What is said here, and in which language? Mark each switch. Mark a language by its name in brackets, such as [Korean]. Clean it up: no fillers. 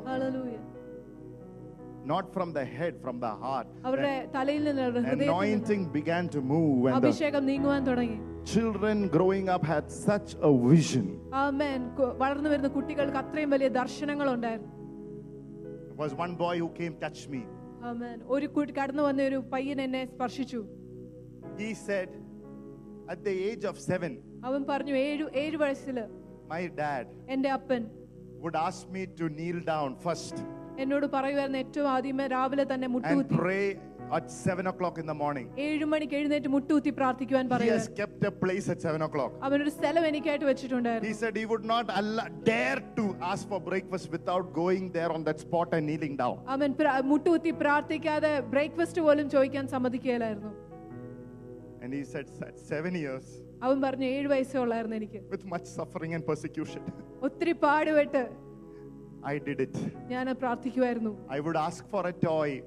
[English] Hallelujah. Not from the head, from the heart. [Malayalam] അവരുടെ തലയിൽ നിന്ന് ഹൃദയത്തിലേക്ക് [English] anointing began to move, [Malayalam] and അഭിഷേകം നീങ്ങുവാൻ തുടങ്ങി. [English] Children growing up had such a vision. Amen. [Malayalam] വളർന്നു വരുന്ന കുട്ടികൾക്ക് അത്രയും വലിയ ദർശനങ്ങൾ ഉണ്ടായിരുന്നു. [English] There was one boy who came touch me. Amen. [Malayalam] ഒരു കുട്ടി കടന്നു വന്ന ഒരു പയ്യൻ എന്നെ സ്പർശിച്ചു. [English] He said at the age of 7. [Malayalam] അവൻ പറഞ്ഞു 7 വയസ്സിൽ [English] my dad [Malayalam] എന്റെ അപ്പൻ [English] would ask me to kneel down first. [Malayalam] എന്നോട് പറയുവായിരുന്നു ഏറ്റവും ആദ്യമേ രാവിലെ തന്നെ മുട്ടുകുത്തി [English] pray at 7 o'clock in the morning. [Malayalam] 7 മണിക്ക് എഴുന്നേറ്റ് മുട്ടുകുത്തി പ്രാർത്ഥിക്കുവാൻ പറയുന്നു. [English] He has kept a place at 7 o'clock. [Malayalam] അവൻ ഒരു സ്ഥലം എനിക്കായിട്ട് വെച്ചിട്ടുണ്ടായിരുന്നു. [English] He said he would not dare to ask for breakfast without going there on that spot and kneeling down. [Malayalam] അവൻ മുട്ടുകുത്തി പ്രാർത്ഥിക്കാതെ ബ്രേക്ക്ഫാസ്റ്റ് പോലും ചോദിക്കാൻ സമ്മതിക്കില്ലായിരുന്നു. [English] And he said at 7 years. [Malayalam] അവൻ പറഞ്ഞു 7 വയസ്സുള്ളായിരുന്നു എനിക്ക്. [English] With much suffering and persecution. [Malayalam] ഒത്തിരി പാടുപെട്ട് [English] I did it. [Malayalam] ഞാൻ പ്രാർത്ഥിക്കുവായിരുന്നു. [English] I would ask for a toy.